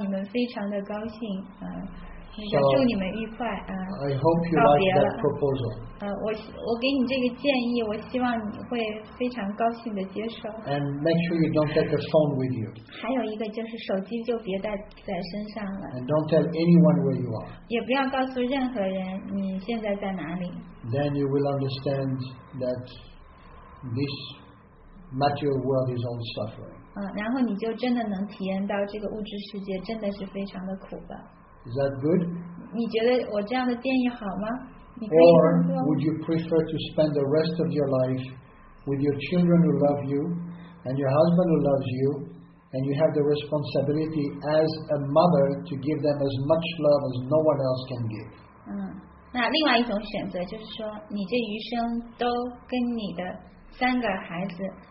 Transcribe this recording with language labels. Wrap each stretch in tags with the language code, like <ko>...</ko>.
<zh>然后在你离开离家出走之前，你在桌子下面留一张条，上面写着，今生遇到你们非常的高兴。</zh> <en>I hope you like that proposal.</en> <zh>我给你这个建议，我希望你会非常高兴的接受。</zh> <en>And make sure you don't take a phone with you.</en> <zh>还有一个就是手机就别带在身上了。</zh> <en>And don't tell anyone where you are.</en> <zh>也不要告诉任何人你现在在哪里。</zh> <en>Then you will understand that this material world is all suffering.</en> <zh>然后你就真的能体验到这个物质世界真的是非常的苦的。</zh> <en>Is that good?</en> <zh>你觉得我这样的建议好吗？</zh> <en>Or would you prefer to spend the rest of your life with your children who love you, and your husband who loves you, and you have the responsibility as a mother to give them as much love as no one else can give?</en> <zh>那另外一种选择就是说，你这余生都跟你的三个孩子。</zh>